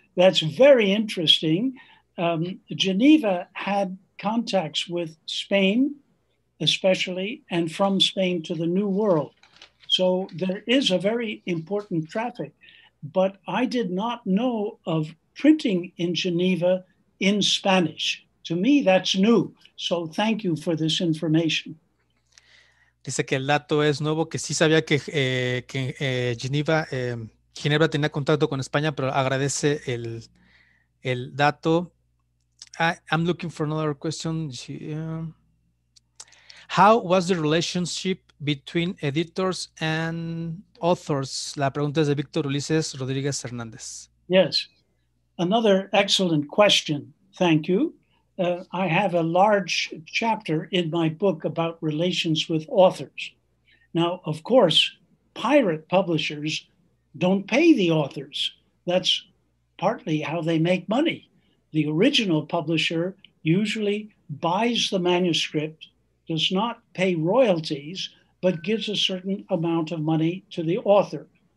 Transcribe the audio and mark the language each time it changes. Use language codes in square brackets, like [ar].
[en] That's very interesting. Geneva had contacts with Spain, especially, and from Spain to the New World. So there is a very important traffic. But I did not know of printing in Geneva in Spanish. To me, that's new. So thank you for this information. [es] Dice que el dato es nuevo, que sí sabía que Ginebra tenía contacto con España, pero agradece el dato. [en] I'm looking for another question. How was the relationship between editors and authors? [es] La pregunta es de Víctor Ulises Rodríguez Hernández. [en] Yes, another excellent question. Thank you. I have a large chapter in my book about relations with authors. Now, of course, pirate publishers don't pay the authors. That's partly how they make money. The original publisher usually buys the manuscript, does not pay royalties, but gives a certain amount of money to the author.